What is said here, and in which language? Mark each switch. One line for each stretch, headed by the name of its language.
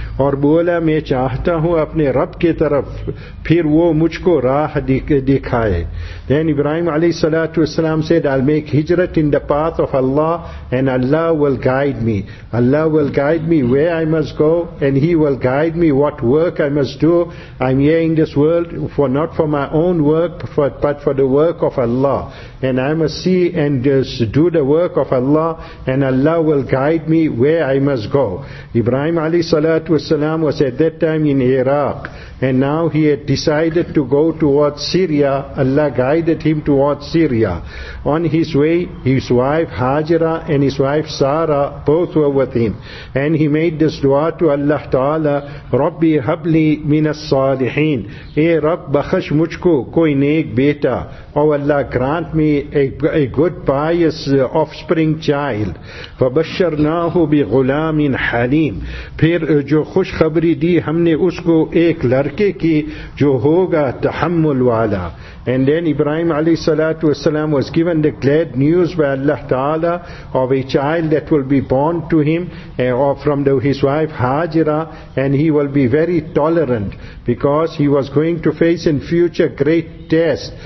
Urdu: اور بولا میں چاہتا ہوں اپنے رب کے طرف, پھر وہ مجھ کو راہ دکھائے.
English: Then Ibrahim alayhi salatu wasalam said, I'll make hijrat in the path of Allah, and Allah will guide me. Allah will guide me where I must go, and He will guide me what work I must do. I'm here in this world for not for my own work, but for the work of Allah. And I must see and just do the work of Allah, and Allah will guide me where I must go. Ibrahim alayhi salatu wasalam was at that time in Iraq, And now he had decided to go towards Syria. Allah guided him towards Syria. On his way, his wife Hajira and his wife Sarah both were with him. And he made this dua to Allah Ta'ala,
Arabic: Rabbi habli minas salihin.
Urdu: Hey Rabb, bakhash mujhko koi nek beta.
English: Oh Allah, grant me a good pious offspring child.
Arabic: فَبَشَّرْنَاهُ بِغُلَامٍ حَلِيمٍ.
Urdu: پھر جو خوش خبری دی ہم نے اس کو ایک لڑکے کی جو ہوگا تحمل والا.
English: And then Ibrahim alayhi salatu wasalam was given the glad news by Allah Ta'ala of a child that will be born to him from his wife Hajira, and he will be very tolerant because he was going to face in future great test.